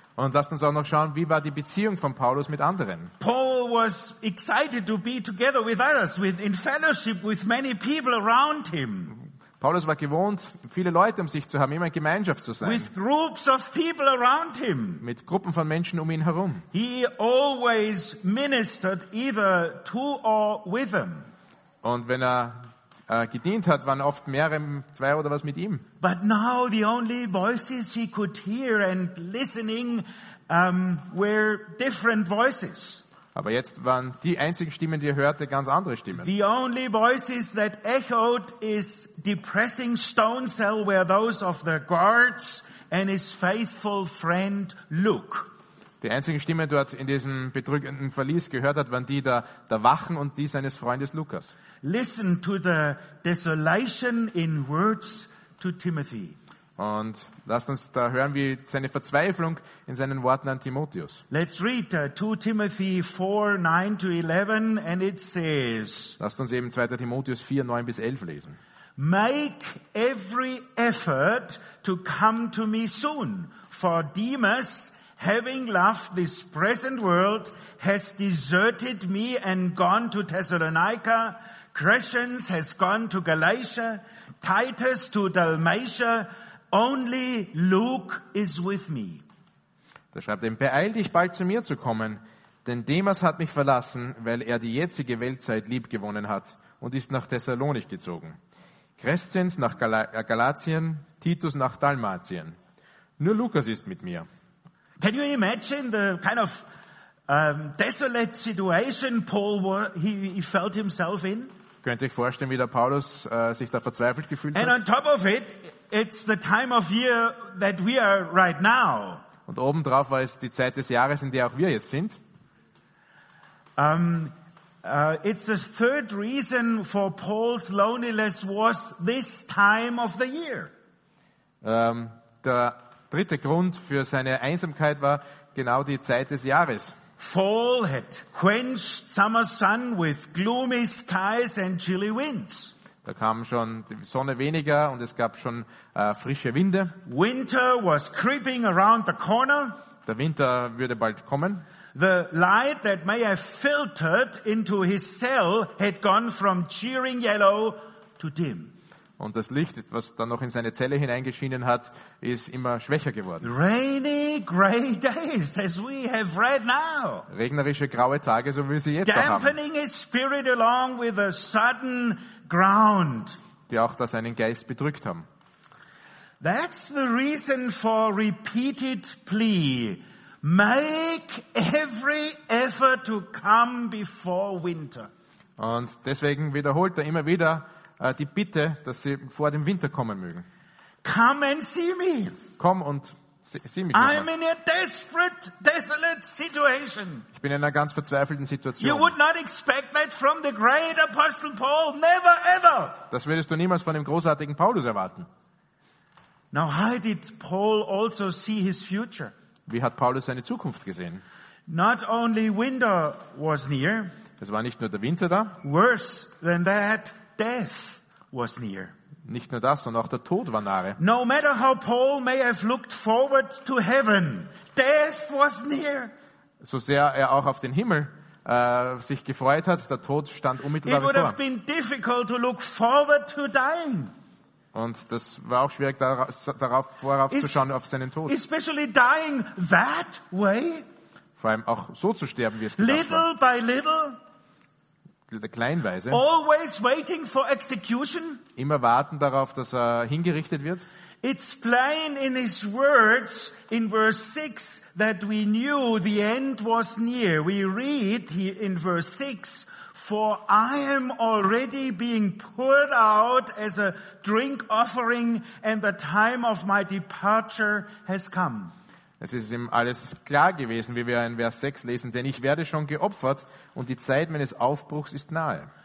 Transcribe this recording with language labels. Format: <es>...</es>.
<de>Und lasst uns auch noch schauen, wie war die Beziehung von Paulus mit anderen.</de> <en>Paul was excited to be together with others, in fellowship with many people around him.</en> <de>Paulus war gewohnt, viele Leute um sich zu haben, immer in Gemeinschaft zu sein.</de> <en>With groups of people around him.</en> <de>Mit Gruppen von Menschen um ihn herum.</de> <en>He always ministered either to or with them.</en> <de>Und wenn er gedient hat, waren oft mehrere, zwei oder was mit ihm.</de> <en>But now the only voices he could hear and listening were different voices.</en> <de>Aber jetzt waren die einzigen Stimmen, die er hörte, ganz andere Stimmen.</de> <en>The only voices that echoed is depressing stone cell where those of the guards and his faithful friend Luke.</en> <de>Die einzige Stimme dort in diesem bedrückenden Verlies gehört hat, waren die der Wachen und die seines Freundes Lukas.</de> <en>Listen to the desolation in words to Timothy.</en> <de>Und lasst uns da hören, wie seine Verzweiflung in seinen Worten an Timotheus.</de> <en>Let's read 2 Timothy 4, 9 to 11 and it says.</en> <de>Lasst uns eben 2. Timotheus 4, 9 bis 11 lesen.</de> <en>Make every effort to come to me soon, for Demas, having left this present world, has deserted me and gone to Thessalonica. Crescens has gone to Galatia. Titus to Dalmatia. Only Luke is with me.</en> <de>Da schreibt er, beeil dich bald zu mir zu kommen, denn Demas hat mich verlassen, weil er die jetzige Weltzeit liebgewonnen hat und ist nach Thessalonik gezogen. Crescens nach Galatien, Titus nach Dalmatien. Nur Lukas ist mit mir.</de> <en>Can you imagine the kind of desolate situation he felt himself in?</en> <de>Könnt ihr euch vorstellen, wie der Paulus sich da verzweifelt gefühlt hat?</de> <en>And on top of it, it's the time of year that we are right now.</en> <de>Und obendrauf war es die Zeit des Jahres, in der auch wir jetzt sind.</de> <en>It's the third reason for Paul's loneliness was this time of the year.</en> <de>Der dritte Grund für seine Einsamkeit war genau die Zeit des Jahres.</de> <en>Fall had quenched summer sun with gloomy skies and chilly winds.</en> <de>Da kam schon die Sonne weniger und es gab schon frische Winde.</de> <en>Winter was creeping around the corner.</en> <de>Der Winter würde bald kommen.</de> <en>The light that may have filtered into his cell had gone from cheering yellow to dim.</en> <de>Und das Licht, was dann noch in seine Zelle hineingeschienen hat, ist immer schwächer geworden.</de> <en>Rainy gray days, as we have right now.</en> <de>Regnerische graue Tage, so wie sie jetzt</de> <en>dampening</en> <de>haben.</de> <en>Dampening his spirit along with a sudden ground.</en> <de>Die auch da seinen Geist bedrückt haben.</de> <en>That's the reason for repeated plea. Make every effort to come before winter.</en> <de>Und deswegen wiederholt er immer wieder die Bitte, dass sie vor dem Winter kommen mögen.</de> <en>Come and see me.</en> <de>Komm und sieh mich.</de> <en>I'm in a desperate, desolate situation.</en> <de>Ich bin in einer ganz verzweifelten Situation.</de> <en>You would not expect that from the great apostle Paul. Never ever.</en> <de>Das würdest du niemals von dem großartigen Paulus erwarten.</de> <en>Now how did Paul also see his future?</en> <de>Wie hat Paulus seine Zukunft gesehen?</de> <en>Not only winter was near.</en> <de>Es war nicht nur der Winter da.</de> <en>Worse than that, death was near.</en> <de>Nicht nur das, sondern auch der Tod war nahe.</de> <en>No matter how Paul may have looked forward to heaven, death was near.</en> <de>So sehr er auch auf den Himmel sich gefreut hat, der Tod stand unmittelbar bevor.</de> <en>It would have been difficult to look forward to dying.</en> <de>Und das war auch schwierig, darauf vorauf zu schauen, auf seinen Tod.</de> <en>Especially dying that way.</en> <de>Vor allem auch so zu sterben, wie es gedacht</de> <en>little</en> <de>war.</de> <en>By little.</en> <de>Kleinweise.</de> <en>Always waiting for execution.</en> <de>Immer warten darauf, dass er hingerichtet wird.</de> <en>It's plain in his words in verse 6 that we knew the end was near. We read in verse 6. For I am already being poured out as a drink offering and the time of my departure has come.</en> <de>Es ist ihm alles klar gewesen, wie wir in Vers 6 lesen, denn ich werde schon geopfert und die Zeit meines Aufbruchs ist nahe.</de>